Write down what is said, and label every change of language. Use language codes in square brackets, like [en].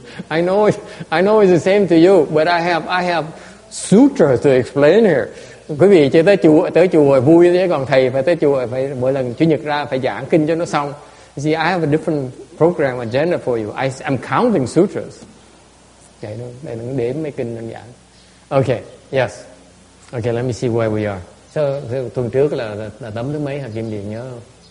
[en] I know it's the same to you, but I have sutras to explain here. [vi] Quý vị chưa tới chùa vui thế, còn thầy phải tới chùa phải mỗi lần chủ nhật ra phải giảng kinh cho nó xong. [en] See, I have a different program agenda for you. I'm counting sutras. [vi] Okay, để nó đếm mấy kinh đơn giản. [en] Okay, yes. Okay, let me see where we are. [vi] So tuần trước là tấm thứ mấy hả Kim Điền, nhớ không?